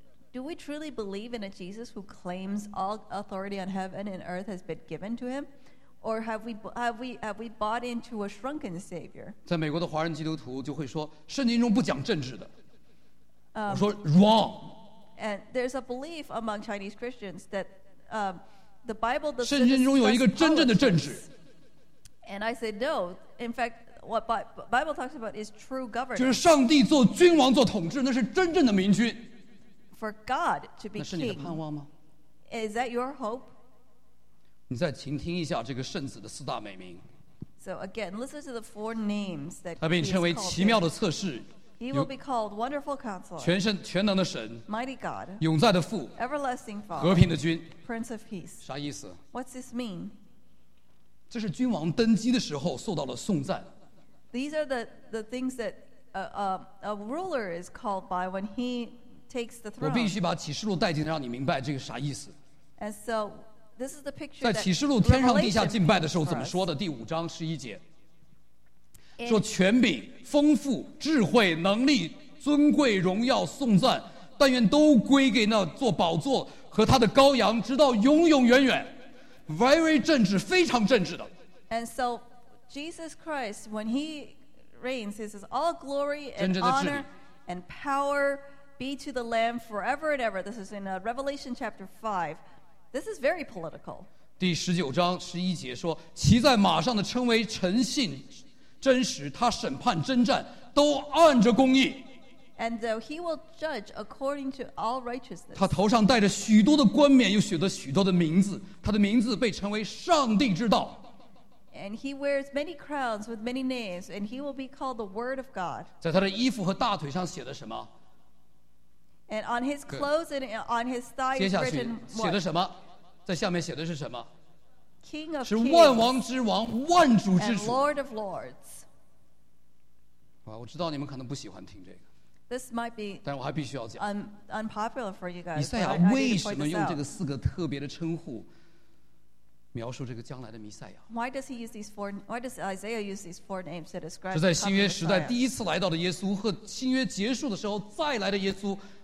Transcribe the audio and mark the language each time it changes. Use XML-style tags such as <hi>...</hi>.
<en>Do we truly believe in a Jesus who claims all authority on heaven and earth has been given to him, or have we bought into a shrunken savior?</en> <zh>在美国的华人基督徒就会说，圣经中不讲政治的。我说</zh> <en>wrong. And there's a belief among Chinese Christians that the Bible doesn't.</en> <zh>圣经中有一个真正的政治。</zh> <en>And I said no. In fact, what Bible talks about is true governance.</en> <zh>就是上帝做君王做统治，那是真正的明君。</zh> <en>For God to be king.</en> <zh>那是你的盼望吗？</zh> <en>Is that your hope?</en> <zh>你再倾听一下这个圣子的四大美名。</zh> <en>So again, listen to the four names that he is called.</en> <zh>他被称为奇妙的测试。</zh> <en>He will be called Wonderful Counselor.</en> <zh>全能的神。</zh> <en>Mighty God.</en> <zh>永在的父。</zh> <en>Everlasting Father.</en> <zh>和平的君。</zh> <en>Prince of Peace.</en> <zh>啥意思？</zh> <en>What's this mean?</en> <zh>这是君王登基的时候受到了颂赞。</zh> <en>These are the things that a ruler is called by when he takes the throne.</en> <zh>我必须把启示录带进来，让你明白这个啥意思。</zh> <en>And so, this is the picture.</en> <zh>在启示录天上地下敬拜的时候怎么说的？第五章十一节，说权柄、丰富、智慧、能力、尊贵、荣耀、颂赞，但愿都归给那座宝座和他的羔羊，直到永永远远。</zh> <en>Very</en> <zh>政治，非常政治的。</zh> <en>And so, Jesus Christ, when he reigns, he says, "All glory and honor and power." Be to the Lamb forever and ever. This is in Revelation chapter 5. This is very political.</en> <zh>第十九章十一节说，骑在马上的称为诚信、真实，他审判征战都按着公义。</zh> <en>And so he will judge according to all righteousness.</en> <zh>他头上戴着许多的冠冕，又写着许多的名字。他的名字被称为上帝之道。</zh> <en>And he wears many crowns with many names, and he will be called the Word of God.</en> <zh>在他的衣服和大腿上写的什么？</zh> <en>And on his clothes and on his thigh is written what?</en> <zh>写的什么？在下面写的是什么？</zh> <en>King of kings.</en> <zh>是万王之王，万主之主。</zh> <en>And Lord of lords.</en> <zh>哇，我知道你们可能不喜欢听这个。</zh> <en>This might be.</en> <zh>但我还必须要讲。</zh> <en>Unpopular for you guys.</en> <zh>弥赛亚为什么用这个四个特别的称呼描述这个将来的弥赛亚？</zh> <en>Why does he use these four? Why does Isaiah use these four names to describe?</en> <zh>是在新约时代第一次来到的耶稣和新约结束的时候再来的耶稣。</zh>